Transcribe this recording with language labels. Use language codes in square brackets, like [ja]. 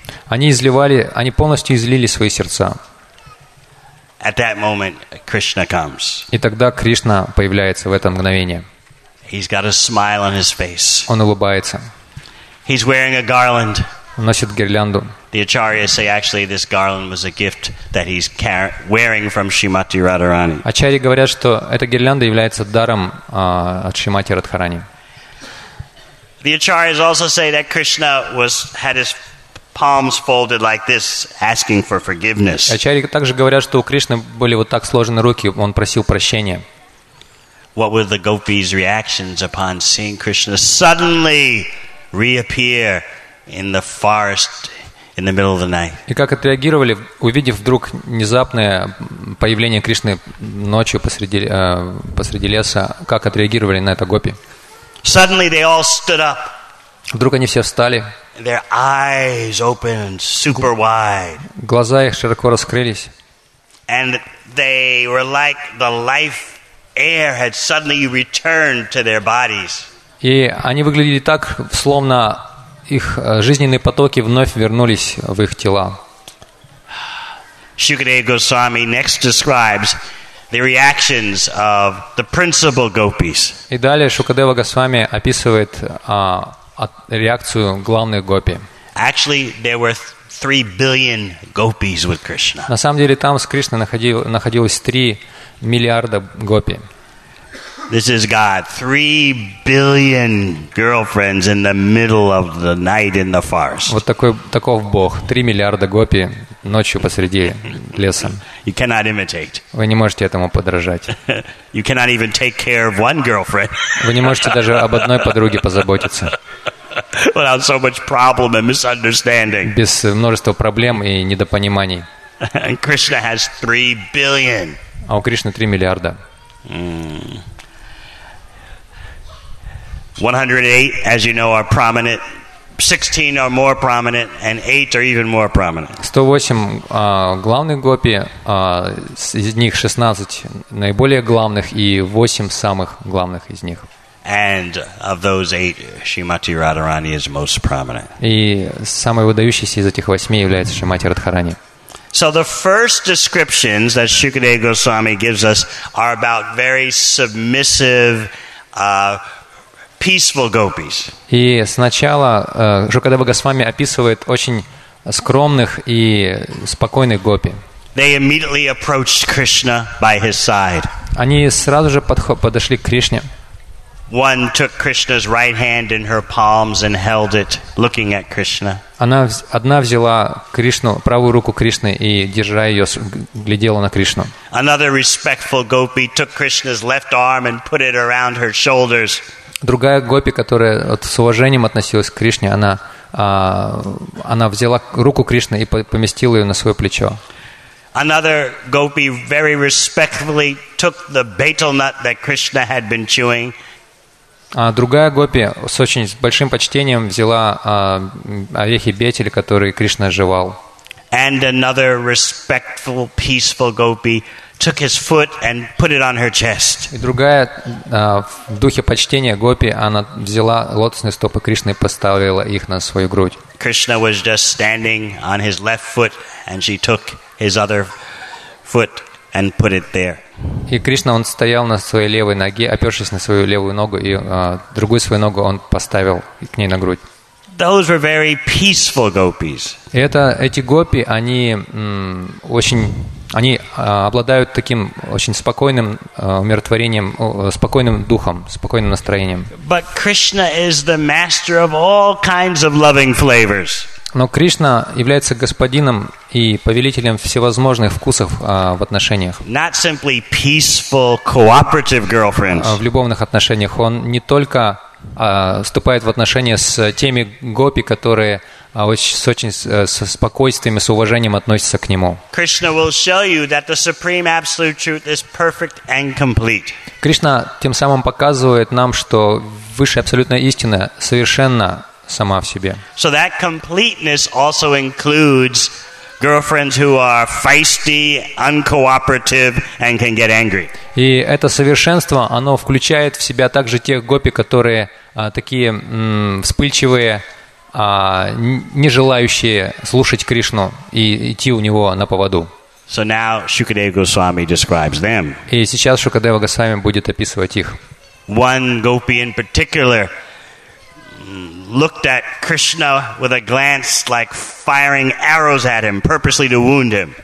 [ru] Они полностью излили свои сердца. [en] At that moment, Krishna comes. [ru] И тогда Кришна появляется в это мгновение. [en] He's got a smile on his face. [ru] Он улыбается. [en] He's wearing a garland. [ru] Он носит гирлянду. [en] The acharyas say actually this garland was a gift that he's wearing from Shrimati Radharani. [ru] Ачарьи говорят, что эта гирлянда является даром от Шримати Радхарани. [en] The acharyas also say that Krishna had his palms folded like this, asking for forgiveness. [ru] Ачарьи также говорят, что у Кришны были вот так сложены руки, он просил прощения. [en] What were the gopis' reactions upon seeing Krishna suddenly reappear in the forest in the middle of the night? [ru] И как отреагировали, увидев вдруг внезапное появление Кришны ночью посреди леса? Как отреагировали на это гопи? [en] Suddenly they all stood up. [ru] Вдруг они все встали. [en] Their eyes opened super wide. [ru] Глаза их широко раскрылись. [en] And they were like the life air had suddenly returned to their bodies. [ru] И они выглядели так, словно их жизненные потоки вновь вернулись в их тела. [en] Shukadeva Goswami next describes the reactions of the principal gopis. [ru] И далее Шукадева Госвами описывает реакцию главных гопи. [en] Actually, there were 3 billion gopis with Krishna. [ru] На самом деле там с Кришной находилось 3 миллиарда гопи. [en] This is God, 3 billion girlfriends in the middle of the night in the forest. [ru] Вот такой таков Бог, 3 миллиарда гопи ночью посреди леса. [en] You cannot imitate. [ru] Вы не можете этому подражать. [en] You cannot even take care of one girlfriend. [ru] Вы не можете даже об одной подруге позаботиться. [en] Without so much problem and misunderstanding. [ru] Без множества проблем и недопониманий. [en] And Krishna has 3 billion. [ru] А у Кришны 3 миллиарда. [en] 108, as you know, are prominent. 16 are more prominent, and 8 are even more prominent. [ru] 108 главных гопи, из них 16 наиболее главных и 8 самых главных из них. [en] And of those 8, Shrimati Radharani is most prominent. [ru] И самой выдающейся из этих 8 является Шримати Радхарани. [en] So the first descriptions that Shukadeva Goswami gives us are about very submissive, peaceful gopis. [ru] И сначала Шукадева Госвами описывает очень скромных и спокойных гопи. [en] They immediately approached Krishna by his side. [ru] Они сразу же подошли к Кришне. [en] One took Krishna's right hand in her palms and held it, looking at Krishna. [ru] Одна взяла Кришну, правую руку Кришны и, держа ее, глядела на Кришну. [en] Another respectful gopi took Krishna's left arm and put it around her shoulders. [ru] Другая гопи, которая с уважением относилась к Кришне, она взяла руку Кришны и поместила ее на свое плечо. [en] Another gopi very respectfully took the betel nut that Krishna had been chewing. [ru] А другая гопи с очень большим почтением взяла орехи бетель, которые Кришна жевал. [en] And another respectful, peaceful gopi took his foot and put it on her chest. [ru] И другая в духе почтения гопи, она взяла лотосные стопы Кришны и поставила их на свою грудь. [en] Krishna was just standing on his left foot, and she took his other foot and put it there. [ru] И Кришна, он стоял на своей левой ноге, опершись на свою левую ногу, и другую свою ногу он поставил к ней на грудь. [en] Those were very peaceful gopis. [ru] Эти гопи, они обладают таким очень спокойным умиротворением, спокойным духом, спокойным настроением. [en] But Krishna is the master of all kinds of loving flavors. [ru] Но Кришна является господином и повелителем всевозможных вкусов в отношениях. [en] Not simply peaceful cooperative girlfriends. [ru] В любовных отношениях он не только вступает в отношения с теми гопи, которые с спокойствием и с уважением относятся к нему. [en] Krishna will show you that the supreme absolute truth is perfect and complete. [ru] Кришна тем самым показывает нам, что высшая абсолютная истина совершенна сама в себе. [en] So that completeness also includes girlfriends who are feisty, uncooperative, and can get angry. [ru] И это совершенство, оно включает в себя также тех гопи, которые такие вспыльчивые, не желающие слушать Кришну и идти у него на поводу. [en] So now Shukadeva Goswami describes them. [ru] И сейчас Шукадева Госвами будет описывать их. [en] One gopi in particular looked at Krishna with a glance like firing arrows at him, purposely to wound him.